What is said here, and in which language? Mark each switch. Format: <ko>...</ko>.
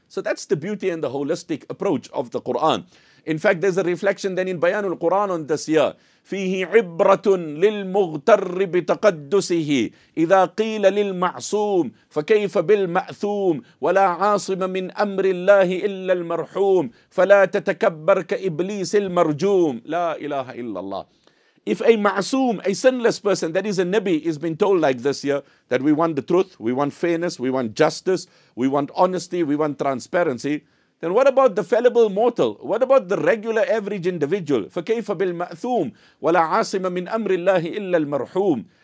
<en>So that's the beauty and the holistic approach of the Quran. In fact, there's a reflection then in Bayanul Quran on this year.</en> <ar>فيه عبرة للمغتر بتقدسه إذا قيل للمعصوم فكيف بالمأثوم ولا عاصم من أمر الله إلا المرحوم فلا تتكبر كإبليس المرجوم لا إله إلا الله.</ar> <en>If a ma'soom, a sinless person, that is a Nabi, is being told like this here, that we want the truth, we want fairness, we want justice, we want honesty, we want transparency, then what about the fallible mortal? What about the regular average individual?</en> <ar>فَكَيْفَ بِالْمَأْثُومِ وَلَا عَاصِمَ مِنْ أَمْرِ اللَّهِ إِلَّا الْمَرْحُومِ.</ar>